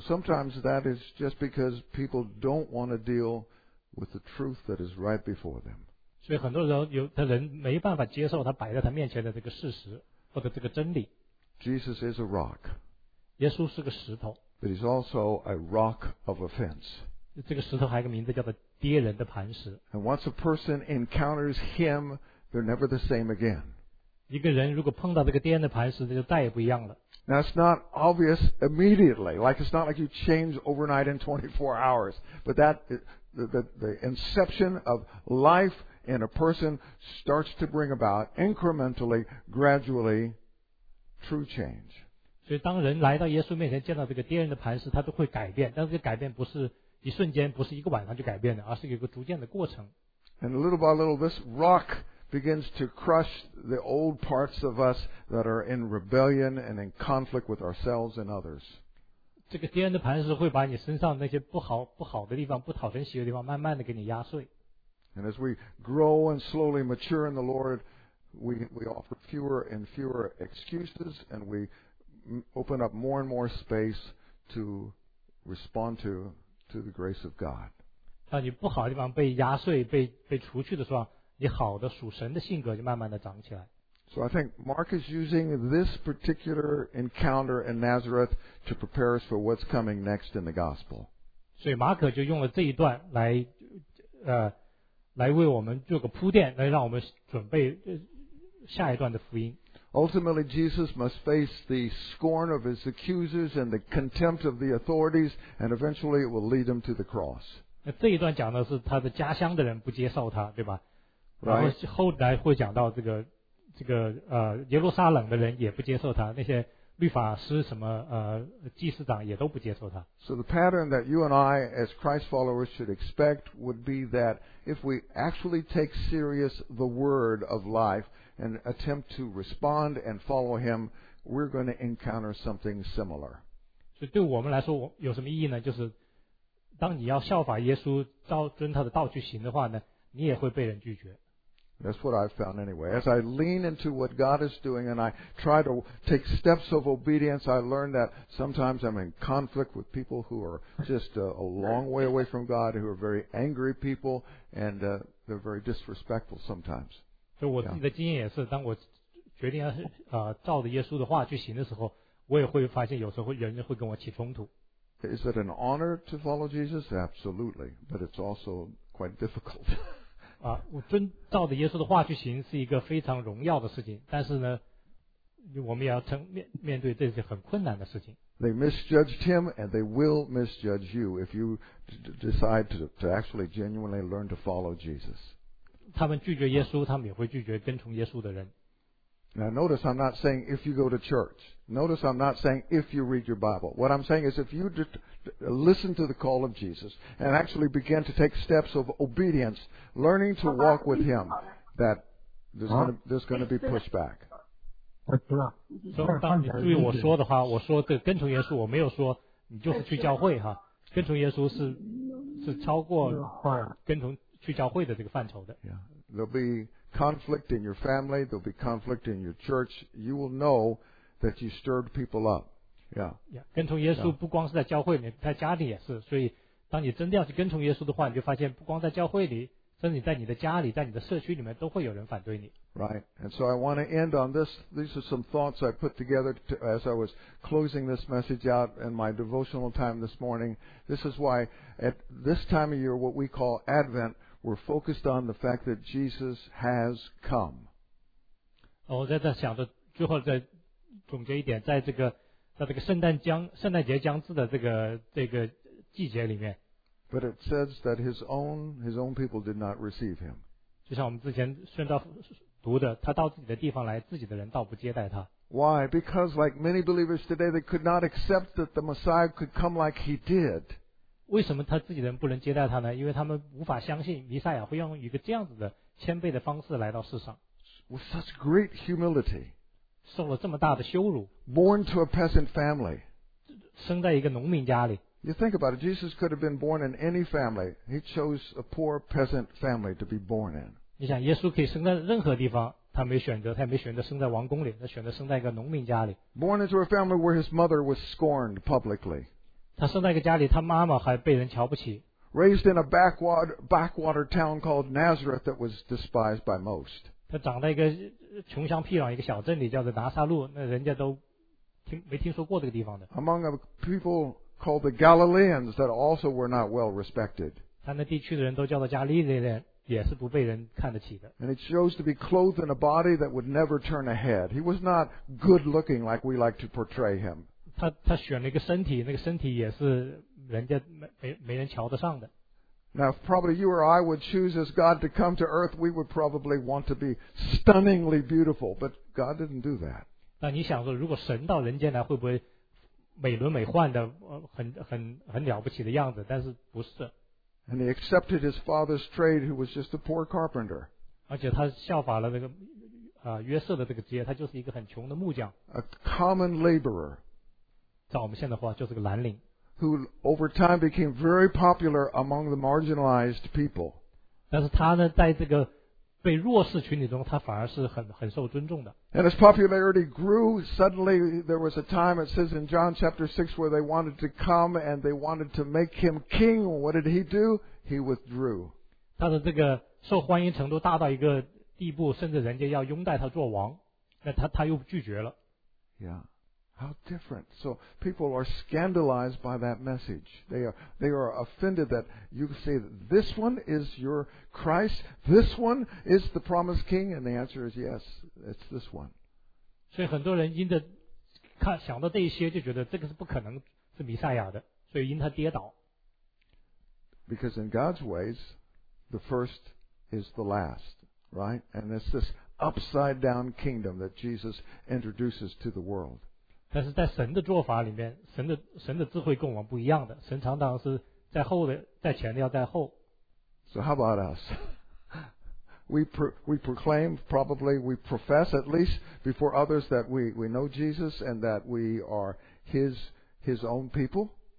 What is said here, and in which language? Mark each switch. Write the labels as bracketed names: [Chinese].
[English] sometimes that is just because people don't want to deal with the truth that is right before them. [Chinese] 所以很多人没办法接受他摆在他面前的这个事实或者这个真理。Jesus [English] is a rock. [Chinese] 耶稣是个石头。 [English] But He's also a rock of offense. [Chinese] 这个石头还有个名字叫做跌人的磐石。 [English] And once a person encounters Him, they're never the same again. [Chinese] 一个人如果碰到这个跌人的磐石，他就再也不一样了。 [English] Now it's not obvious immediately. Like it's not like you change overnight in 24 hours. But that the inception of life and a person starts to bring about incrementally, gradually, true change. [Chinese] 所以当人来到耶稣面前见到这个跌人的磐石，他都会改变。但这个改变不是一瞬间，不是一个晚上就改变的，而是有一个逐渐的过程。 [English] And little by little, this rock begins to crush the old parts of us that are in rebellion and in conflict with ourselves and others. [Chinese] 这个敌人的磐石会把你身上那些不好的地方、不讨人喜悦的地方，慢慢的给你压碎。 [English] And as we grow and slowly mature in the Lord, we offer fewer and fewer excuses, and we open up more and more space to respond to the grace of God. [Chinese] 当你不好的地方被压碎、被除去的时候，你好的属神的性格就慢慢的长起来。 [English] So I think Mark is using this particular encounter in Nazareth to prepare us for what's coming next in the gospel. [Chinese] 所以马可就用了这一段来为我们做个铺垫，来让我们准备下一段的福音。 [English] Ultimately, Jesus must face the scorn of his accusers and the contempt of the authorities, and eventually it will lead him to the cross. [Chinese] 那这一段讲的是他的家乡的人不接受他，对吧？ [English] Right. [Chinese] 然后后来会讲到这个耶路撒冷的人也不接受他，那些律法师什么祭司长也都不接受他。 [English] So the pattern that you and I as Christ followers should expect would be that if we actually take serious the word of life and attempt to respond and follow him, we're going to encounter something similar. [Chinese] 所以对我们来说有什么意义呢？就是当你要效法耶稣，照遵他的道去行的话呢，你也会被人拒绝。 [English] That's what I've found anyway. As I lean into what God is doing and I try to take steps of obedience, I learn that sometimes I'm in conflict with people who are just a long way away from God, who are very angry people, and they're very disrespectful sometimes. [Chinese] 所以我自己的经验也是，当我决定要照着耶稣的话去行的时候，我也会发现有时候人会跟我起冲突。 [English] Is it an honor to follow Jesus? Absolutely. But it's also quite difficult. [Chinese] 啊，我遵照着耶稣的话去行是一个非常荣耀的事情，但是呢，我们也要面对这些很困难的事情。 [English] They misjudged him, and they will misjudge you if you decide to actually genuinely learn to follow Jesus. [Chinese] 他们拒绝耶稣，他们也会拒绝跟从耶稣的人。 [English] Now notice I'm not saying if you go to church. Notice I'm not saying if you read your Bible. What I'm saying is if you listen to the call of Jesus and actually begin to take steps of obedience, learning to walk with him, that there's going to be pushback. [Chinese] 所以当你注意我说的话，我说对跟从耶稣，我没有说你就是去教会哈。跟从耶稣是超过跟从去教会的这个范畴的。 [English] There'll be conflict in your family, there'll be conflict in your church. You will know that you stirred people up. Yeah. Yeah. [Chinese] 跟从耶稣不光是在教会里，在家里也是。所以当你真的要去跟从耶稣的话，你就发现不光在教会里，甚至在你的家里，在你的社区里面都会有人反对你。 [English] Right. And so I want to end on this. These are some thoughts I put together as I was closing this message out in my devotional time this morning. This is why at this time of year, what we call Advent,We're focused on the fact that Jesus has come. [Chinese] 我在这想着最后再总结一点，在这个圣诞节将至的这个季节里面。 [English] But it says that his own people did not receive him. [Chinese] 就像我们之前宣道读的，他到自己的地方来，自己的人倒不接待他。 [English] Why? Because like many believers today, they could not accept that the Messiah could come like he did. [Chinese] 为什么他自己的人不能接待他呢？因为他们无法相信弥赛亚会用一个这样子的谦卑的方式来到世上。 [English] With such great humility, [Chinese] 受了这么大的羞辱。 [English] Born to a peasant family, [Chinese] 生在一个农民家里。 [English] You think about it. Jesus could have been born in any family. He chose a poor peasant family to be born in. [Chinese] 你想，耶稣可以生在任何地方，他没选择，他也没选择生在王宫里，他选择生在一个农民家里。 [English] Born into a family where his mother was scorned publicly. [Chinese] 他生在一个家里，他妈妈还被人瞧不起。 [English] Raised in a backwater town called Nazareth that was despised by most. [Chinese] 他长在一个穷乡僻壤一个小镇里，叫做拿撒路，那人家都没听说过这个地方的。 [English] Among a people called the Galileans that also were not well respected. [Chinese] 他那地区的人都叫做加利利人，也是不被人看得起的。 [English] And he chose to be clothed in a body that would never turn a head. He was not good looking like we like to portray him. [Chinese] 他选了一个身体，那个身体也是人家没人瞧得上的。 [English] Now, if probably you or I would choose as God to come to earth, we would probably want to be stunningly beautiful, but God didn't do that. [Chinese] 那你想说，如果神到人间来，会不会美轮美奂的，很了不起的样子？但是不是。 [English] And he accepted his father's trade, who was just a poor carpenter. [Chinese] 而且他效法了那个约瑟的这个职业，他就是一个很穷的木匠。 [English] A common laborer. [Chinese] 照我们现在的话，就是个蓝领。 [English] Who over time became very popular among the marginalized people. [Chinese] 但是他呢，在这个被弱势群体中，他反而是很受尊重的。 [English] And his popularity grew. Suddenly, there was a time, it says in John chapter 6, where they wanted to come and they wanted to make him king. What did he do? He withdrew. [Chinese] 他的这个受欢迎程度大到一个地步，甚至人家要拥戴他做王，那他又拒绝了。 [English] Yeah, how different. So people are scandalized by that message. They are offended that you say that this one is your Christ, this one is the promised king, and the answer is yes, it's this one. [Chinese] 所以很多人因着看想到这些，就觉得这个是不可能是弥赛亚的，所以因他跌倒。 [English] Because in God's ways, the first is the last, right? And it's this upside down kingdom that Jesus introduces to the world. [Chinese] 但是在神的做法里面，神的智慧跟我们不一样的。神常常是在后的，在前的要在后。 [English] So how about us? We proclaim, probably we profess at least before others that we know Jesus and that we are his own people.